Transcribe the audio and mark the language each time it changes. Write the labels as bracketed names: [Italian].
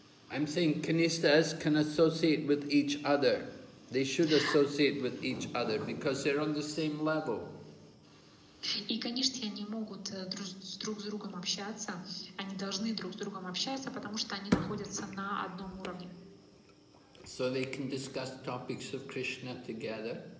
[English] I'm saying kanistas can associate with each other. They should associate with each other because they're on the same level. [Russian] И конечно, они могут друг с другом общаться. Они должны друг с другом общаться, потому что они находятся на одном уровне. [English] So they can discuss topics of Krishna together.